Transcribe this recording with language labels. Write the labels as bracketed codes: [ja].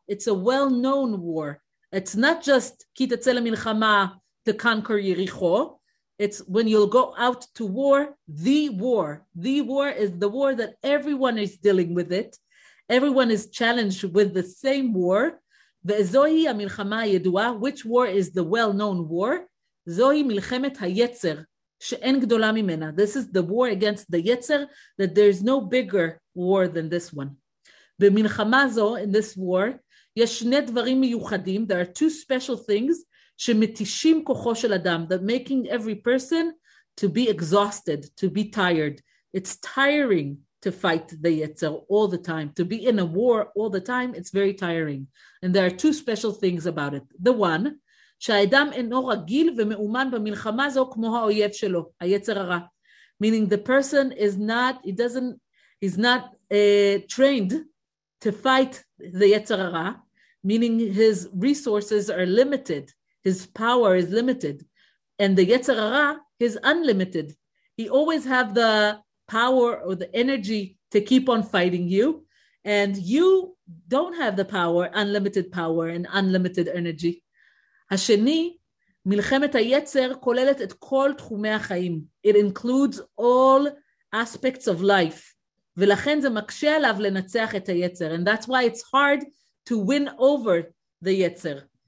[en] It's a well-known war. It's not just, [he] כי תצא למלחמה, [en] to conquer יריחו. It's when you'll go out to war, the war. The war is the war that everyone is dealing with it. Everyone is challenged with the same war. [he] וזוהי המלחמה הידועה, [en] which war is the well-known war? [he] זוהי מלחמת היצר, שאין גדולה ממנה. [en] This is the war against the יצר, that there is no bigger war than this one. [he] במלחמה זו, [en] in this war, [he] יש שני דברים מיוחדים. [en] There are two special things [he] שמתישים כוחו של אדם, [en] that making every person to be exhausted, to be tired. It's tiring to fight the Yetzer all the time. To be in a war all the time, it's very tiring. And there are two special things about it. [he] The one, שהאדם אינו רגיל ומאומן במלחמה זו כמו האויב שלו, היצר הרע. [en] Meaning the person is not, he's not trained to fight the Yetzer הרע, meaning his resources are limited. His power is limited. And the Yetzer Hara is unlimited. He always have the power or the energy to keep on fighting you. And you don't have the power, unlimited power and unlimited energy. [he] השני, מלחמת היצר כוללת את כל תחומי החיים. [en] It includes all aspects of life. [he] ולכן זה מקשה עליו לנצח את היצר. [en] And that's why it's hard to win over the יצר.